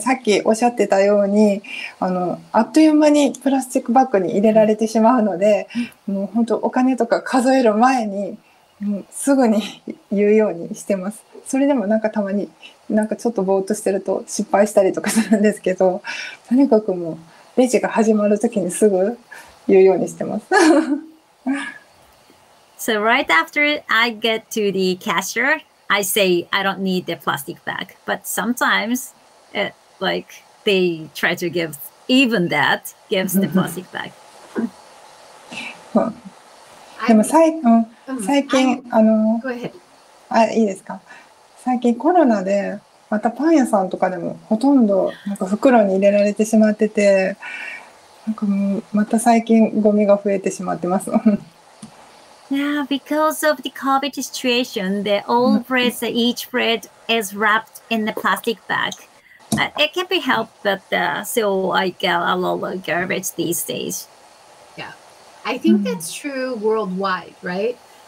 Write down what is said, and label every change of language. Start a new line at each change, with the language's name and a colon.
Japanese: さっきおっしゃってたように、あっという間にプラスチックバッグに入れられてしまうので、もう本当お金とか数える前に、もうすぐに言うようにしてます。それでもなんかたまに、なんかちょっとぼーっとしてると失敗したりとかするんですけど、とにかくもうレジが始まるときにすぐ言うようにしてます。
English: So right after I get to the cashier, I say I don't need the plastic bag. But sometimes... like they try to give even that gives the plastic bag.
Japanese: でも最近、最近、
English: Go ahead.
Japanese: あ、いいですか。最近コロナでまたパン屋さんとかでもほとんどなんか袋に入れられてしまってて、なんかもうまた最近ゴミが増えてしまってます。
English: Yeah, because of the COVID situation, the old bread, each bread is wrapped in the plastic bag. It can't be helped, but so I get a lot of garbage these days. Yeah, I think that's true worldwide, right?